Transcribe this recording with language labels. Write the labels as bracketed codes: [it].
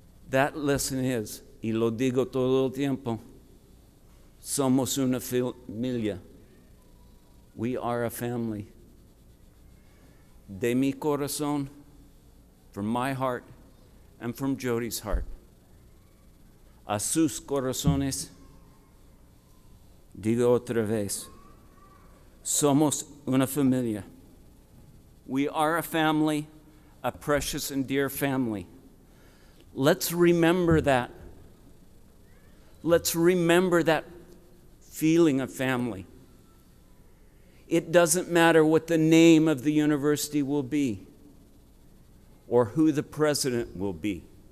[en] That lesson is, [es] y lo digo todo el tiempo, somos una familia. [en] We are a family. [es] De mi corazón, [en] from my heart, and from Jody's heart. [es] A sus corazones, digo otra vez, somos una familia. [en] We are a family, a precious and dear family. Let's remember that. Let's remember that feeling of family. It doesn't matter what the name of the university will be or who the president will be.